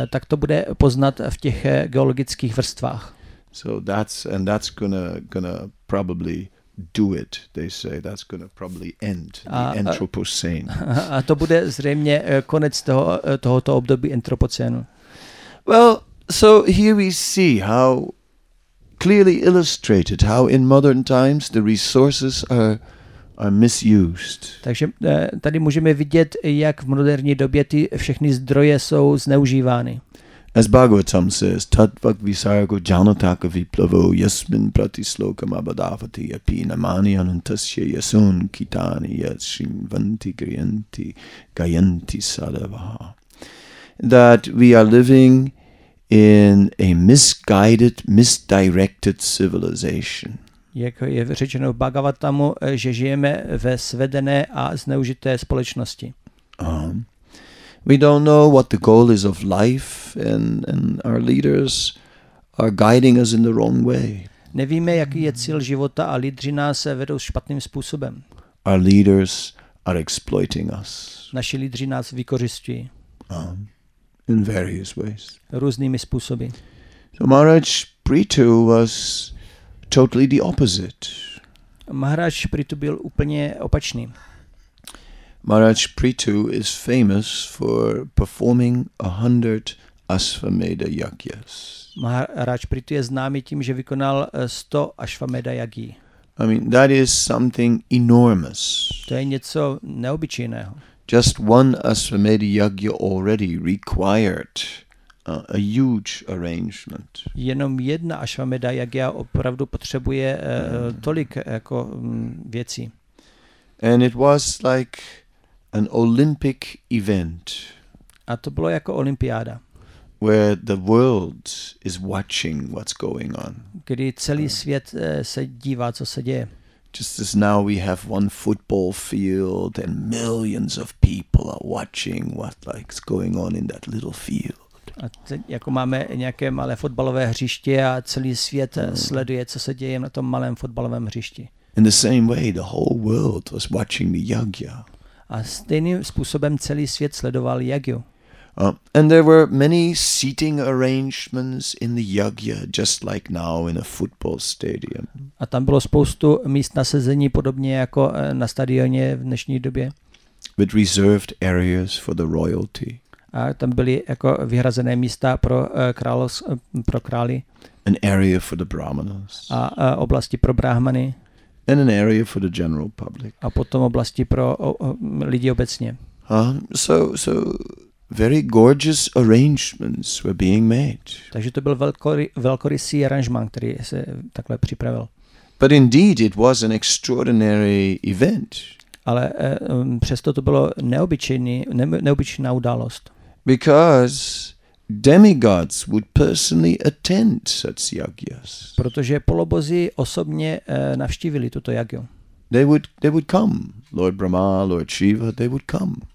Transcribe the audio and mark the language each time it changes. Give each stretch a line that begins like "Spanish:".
Czech: Tak to bude poznat v těch geologických vrstvách.
English: So that's gonna probably do it. They say that's gonna probably end the Anthropocene.
Czech: A to bude zřejmě konec tohoto období antropocénu.
English: Well, so here we see how clearly illustrated how in modern times the resources are misused.
Czech: Takže tady můžeme vidět, jak v moderní době ty všechny zdroje jsou zneužívány.
English: As Bhagavatam says,
Sanskrit: tatvak visargo janataka viplavo yasmin pratislokam abadavati api namani anantasya yasun kitani yasrin vanti griyanti gayanti sadavaha.
English: That we are living in a misguided, misdirected civilization.
Czech: Jak je řečeno v Bhagavatamu, že žijeme ve svedené a zneužité společnosti.
English: We don't know what the goal is of life and our leaders are guiding us in the wrong way.
Czech: Nevíme, jaký je cíl života a lídři nás vedou špatným způsobem.
English: Our leaders are exploiting us.
Czech: Naši lídři nás vykořisťují.
English: In various ways.
Czech: Různými způsoby.
English: So Maharaj Prithu was totally the opposite.
Czech: Maharaj Prithu byl úplně opačný.
English: Maharaj Prithu is famous for performing 100 Ashvamedha yagyas.
Czech: Maharaj Prithu je známý tím, že vykonal 100 Ashvamedha yagyi.
English: I mean, that is something enormous.
Czech: To je něco neobyčejného.
English: Just one Ashvamedha yagya already required a huge arrangement.
Czech: Jenom jedna Ashvamedha yagya opravdu potřebuje tolik jako věcí.
English: And it was like an Olympic event.
Czech: A to bylo jako olympiáda.
English: Where the world is watching what's going on.
Czech: Kdy celý svět se dívá, co se děje.
English: Just as now we have one football field and millions of people are watching what like's going on in that little field.
Czech: A teď, jako máme nějaké malé fotbalové hřiště a celý svět sleduje, co se děje na tom malém fotbalovém hřišti.
English: In the same way the whole world was watching the yagya.
Czech: A stejným způsobem celý svět sledoval yagyu.
English: And there were many seating arrangements in the yagya, just like now in a football stadium.
Czech: A tam bylo spoustu míst na sezení podobně jako na stadioně v dnešní době.
English: With reserved areas for the royalty.
Czech: A tam byly jako vyhrazené místa pro pro krály.
English: An area for the brahmanas.
Czech: A oblasti pro brahmany.
English: And an area for the general public.
Czech: A potom oblasti pro lidi obecně.
English: So very gorgeous arrangements were being made.
Czech: Takže to byl velkorysý aranžmán, který se takhle připravil.
English: But indeed it was an extraordinary event.
Czech: Ale přesto to bylo neobyčejná událost.
English: Because demigods would personally attend such yagyas.
Czech: Protože polobozy osobně navštívili tuto yagyu.
English: They would come, Lord Brahma, Lord Shiva, they would come.